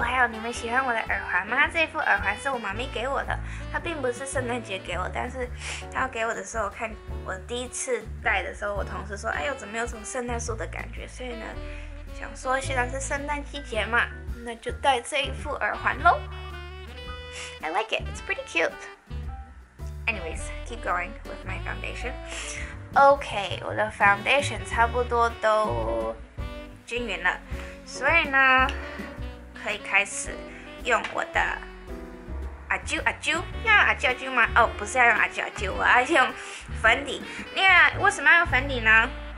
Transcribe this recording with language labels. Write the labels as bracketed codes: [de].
[zh] 你们喜欢我的耳环吗？这副耳环是我妈咪给我的，它并不是圣诞节给我，但是她给我的时候，我看我第一次戴的时候，我同事说，哎呦，怎么有种圣诞树的感觉，所以呢想说虽然是圣诞季节嘛，那就戴这一副耳环咯。 [en] I like it, it's pretty cute. Anyways, keep going with my foundation. [zh] OK, 我的 foundation 差不多都均匀了，所以呢可以开始用我的阿啾阿啾，要阿啾阿啾吗？哦，不是要用阿啾阿啾，我要用粉底。那为什么要用粉底呢？